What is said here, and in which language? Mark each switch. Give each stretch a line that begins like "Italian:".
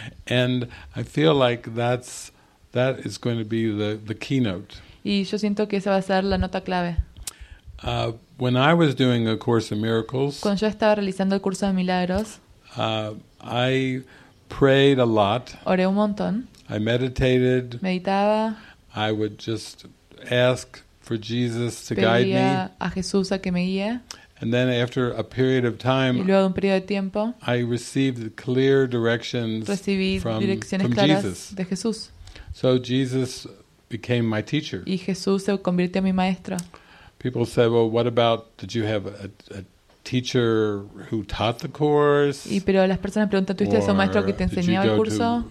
English: And I feel like that is going to be the keynote.
Spanish: Y yo siento que esa va a ser la nota clave.
English: When I was doing a course of miracles.
Spanish: Cuando yo estaba realizando el curso de milagros.
English: I prayed a lot.
Spanish: Oré un montón.
English: I meditated.
Spanish: Meditaba.
English: I would just ask for Jesus to guide me.
Spanish: A Jesús a que me guíe.
English: And then after a period of time,
Spanish: y luego de un periodo de tiempo,
English: I received clear directions from Jesus.
Spanish: De Jesús.
English: So Jesus became my teacher.
Spanish: Y Jesús se convirtió en mi maestro.
English: People said, well, what about, did you have a teacher who taught the course?
Spanish: Y pero las personas preguntan, ¿tuviste un maestro que te enseñaba el curso?